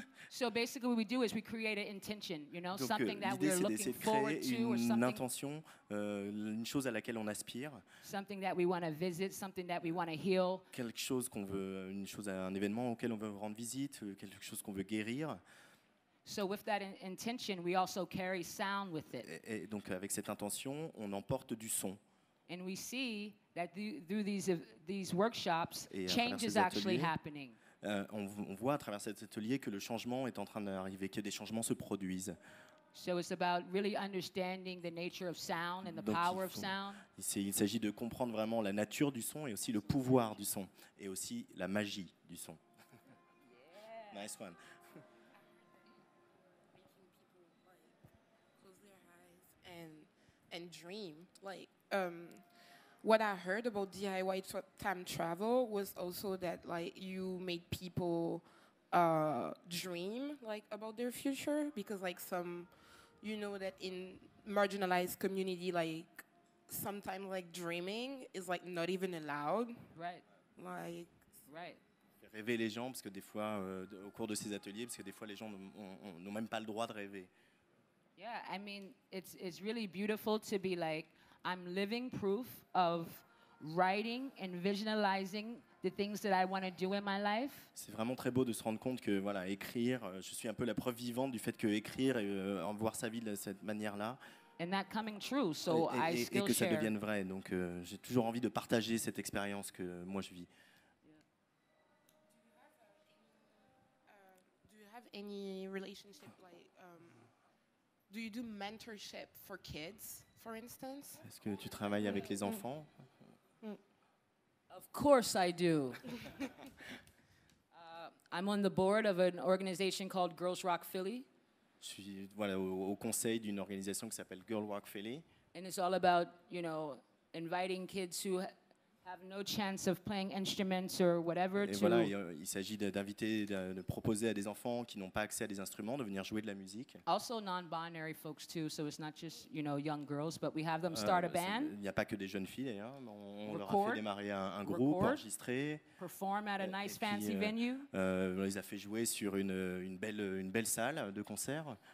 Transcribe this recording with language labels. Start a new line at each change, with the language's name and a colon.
English: So basically what we do is we create an intention, you know,
French: donc,
English: something that we're looking forward to, or something,
French: intention, une chose à laquelle on aspire,
English: something that we want to visit, something that we want to heal,
French: quelque chose qu'on veut, une chose, un événement auquel on veut rendre visite, quelque chose qu'on veut guérir.
English: So with that intention we also carry sound with it.
French: Et donc avec cette intention on emporte du son.
English: And we see that through these workshops, change is actually happening.
French: On voit à travers cet atelier que le changement est en train d'arriver, que des changements se produisent.
English: So it's about really understanding the nature of sound and the power of sound.
French: Il s'agit de comprendre vraiment la nature du son et aussi le pouvoir du son et aussi la magie du son.
English: Yeah. Nice one. Close their eyes and dream like. What I heard about DIY time travel was also that, like, you made people dream, like, about their future, because, like, some, you know, that in marginalized community, like, sometimes, like, dreaming is, like, not even allowed. Right. Like. Right.
French: Rêver les gens, parce que des fois, au cours de ces ateliers, parce que des fois, les gens n'ont même pas le droit de rêver.
English: Yeah, I mean, it's really beautiful to be, like, I'm living proof of writing and visualizing the things that I want to do in my life.
French: C'est vraiment très beau de se rendre compte que voilà, écrire, je suis un peu la preuve vivante du fait que écrire et en voir sa vie de cette manière-là.
English: And that coming true, so I still share.
French: Et que ça devienne vrai, donc j'ai toujours envie de partager cette expérience que moi je vis.
English: Do you have any relationship do you do mentorship for kids? For instance,
French: est-ce que tu travailles avec les enfants?
English: Of course I do. I'm on the board of an organization called Girls Rock Philly.
French: Je suis voilà au conseil d'une organisation qui s'appelle Girl Rock Philly.
English: And it's all about, you know, inviting kids who have no chance of playing instruments or whatever
French: et
English: to.
French: Et voilà, il s'agit d'inviter, de proposer à des enfants qui n'ont pas accès à des instruments de venir jouer de la musique.
English: Also non-binary folks too, so it's not just, you know, young girls, but we have them start a band.
French: Il n'y a pas que des jeunes filles d'ailleurs. On
English: record,
French: leur a fait démarrer un groupe, enregistrer.
English: Perform at a nice fancy venue.
French: On les a fait jouer sur une belle salle de concert.